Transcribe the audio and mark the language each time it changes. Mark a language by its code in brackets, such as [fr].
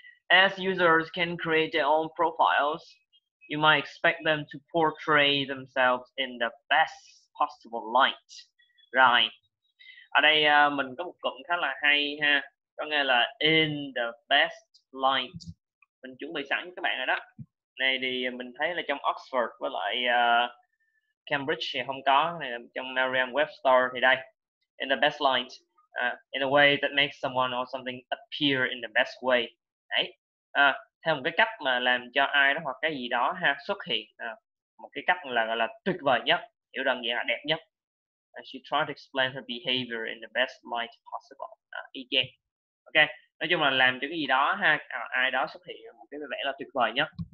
[en] As users can create their own profiles, you might expect them to portray themselves in the best possible light. Right. [vi] Ở đây mình có một cụm khá là hay ha. Có nghĩa là [en] in the best light. [vi] Mình chuẩn bị sẵn cho các bạn rồi đó. Này thì mình thấy là trong Oxford với lại Cambridge thì không có, này trong Merriam-Webster thì đây. [en] In the best light, in a way that makes someone or something appear in the best way. [vi] Đấy, theo một cái cách mà làm cho ai đó hoặc cái gì đó ha xuất hiện một cái cách là gọi là tuyệt vời nhất, hiểu đơn giản là đẹp nhất. [en] She tried to explain her behavior in the best light possible. Again. [vi] Ok, nói chung là làm cho cái gì đó ha, ai đó xuất hiện một cái vẻ là tuyệt vời nhất.